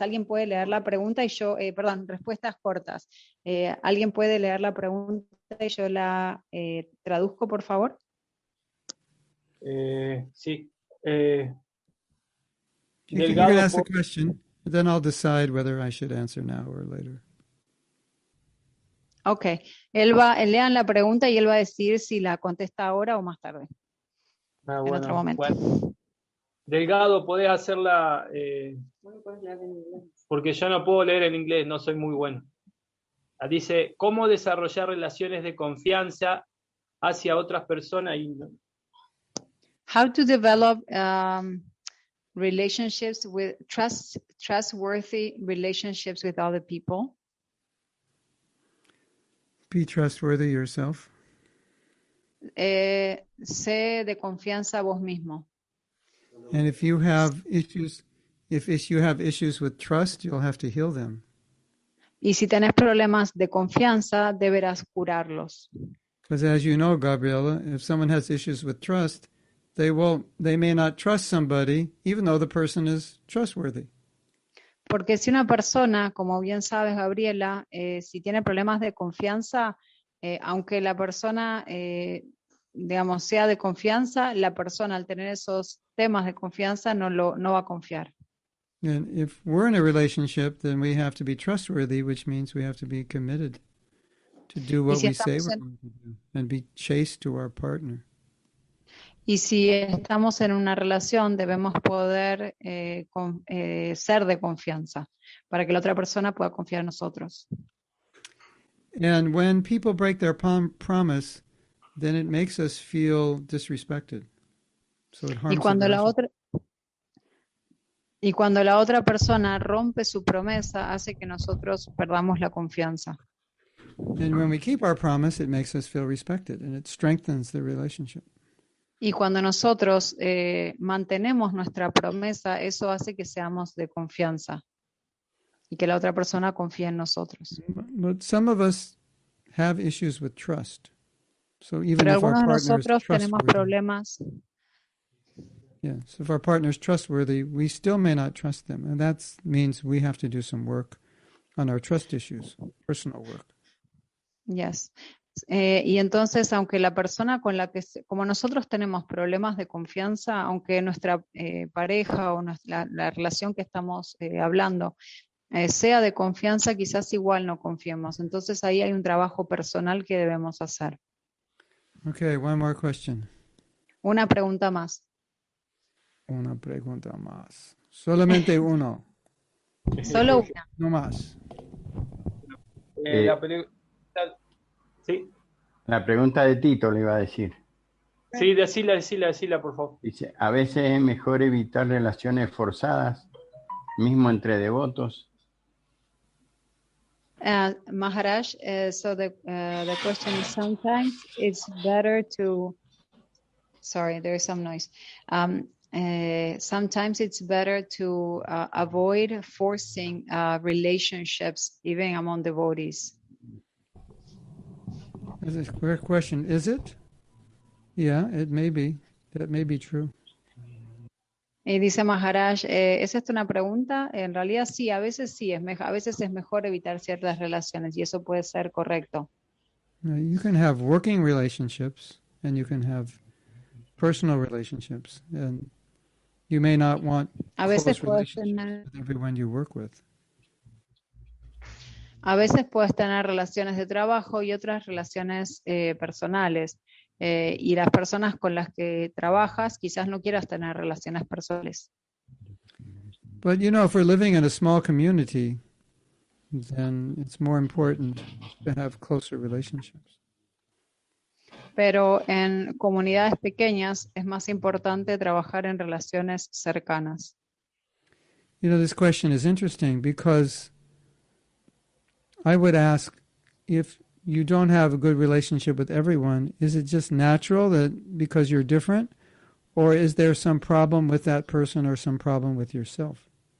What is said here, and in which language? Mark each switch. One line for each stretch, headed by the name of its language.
Spanish: Alguien puede leer la pregunta y yo, perdón, respuestas cortas. Alguien puede leer la pregunta y yo la traduzco, por favor. Sí.
English: You can ask the question, then I'll decide whether I should answer now or later.
Spanish: Ok, él va, lean la pregunta y él va a decir si la contesta ahora o más tarde. Ah, en bueno, otro momento. Bueno. Delgado, ¿podés hacerla? Porque yo no puedo leer en inglés, no soy muy bueno. Dice, ¿cómo desarrollar relaciones de confianza hacia otras personas?
English: How to develop relationships with trustworthy relationships with other people? Be trustworthy yourself.
Spanish: Sé de confianza vos mismo.
English: And if you have issues, if you have issues with trust, you'll have to heal them.
Spanish: Y si tenés problemas de confianza, deberás curarlos.
English: Because as you know, Gabriela, if someone has issues with trust, they may not trust somebody, even though the person is trustworthy.
Spanish: Porque si una persona, como bien sabes, Gabriela, si tiene problemas de confianza, aunque la persona digamos, sea de confianza, la persona al tener esos temas de confianza no va a confiar.
English: And if we're in a relationship, then we have to be trustworthy, which means we have to be committed to do what we say we're going to do and be chaste to our partner.
Spanish: Y si estamos en una relación, debemos poder ser de confianza para que la otra persona pueda confiar en nosotros.
English: And when people break their promise, then it makes us feel disrespected. So it harms
Spanish: y cuando la otra persona rompe su promesa, hace que nosotros perdamos la confianza.
English: And when we keep our promise, it makes us feel respected and it strengthens the relationship.
Spanish: Y cuando nosotros mantenemos nuestra promesa, eso hace que seamos de confianza y que la otra persona confíe en nosotros.
English: But some of us have issues with trust. So even
Spanish: pero
English: if our partner
Spanish: nosotros
English: is trustworthy,
Spanish: tenemos problemas.
English: Yeah, so if our partner is trustworthy, we still may not trust them. And that means we have to do some work on our trust issues, personal work. Yes.
Spanish: Y entonces, aunque la persona con la que, como nosotros tenemos problemas de confianza, aunque nuestra pareja o la relación que estamos hablando sea de confianza, quizás igual no confiemos. Entonces ahí hay un trabajo personal que debemos hacer.
English: Okay, one more question.
Spanish: Una pregunta más. Una pregunta más. Solamente uno. Solo una. No más. Sí. La pregunta de Tito le iba a decir. Sí, decíla, por favor. Dice, a veces es mejor evitar relaciones forzadas, mismo entre devotos.
English: Maharaj, the question is sometimes it's better to. Sorry, there is some noise. Sometimes it's better to avoid forcing relationships even among devotees. That's a clear question. Is it? Yeah, it may be. That may be true.
Spanish: Y dice Maharaj, ¿es esta una pregunta? En realidad sí, a veces sí, a veces es mejor evitar ciertas relaciones y eso puede ser correcto.
English: You can have working relationships and you can have personal relationships and you may not want close relationships with everyone you work with.
Spanish: A veces puedes tener relaciones de trabajo y otras relaciones personales. Y las personas con las que trabajas quizás no quieras tener relaciones personales.
English: But you know, if we're living in a small community, then it's more important to have closer relationships.
Spanish: Pero en comunidades pequeñas es más importante trabajar en relaciones cercanas.
English: You know, this question is interesting because I would ask if you don't have a good relationship with everyone, is it just natural that because you're different, or is there some problem with that person or some problem with yourself?